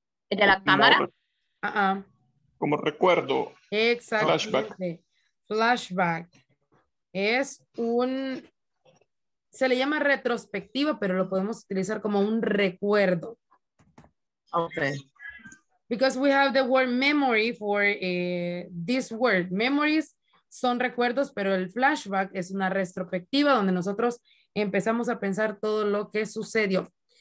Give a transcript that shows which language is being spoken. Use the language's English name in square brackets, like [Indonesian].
[Spanish] ¿De la cámara? Como recuerdo. Exactamente. Flashback. Flashback. Es un... Se le llama retrospectivo, pero lo podemos utilizar como un recuerdo. Okay. [English] Because we have the word memory for this word. [Spanish] Memories son recuerdos, pero el flashback es una retrospectiva donde nosotros empezamos a pensar todo lo que sucedió.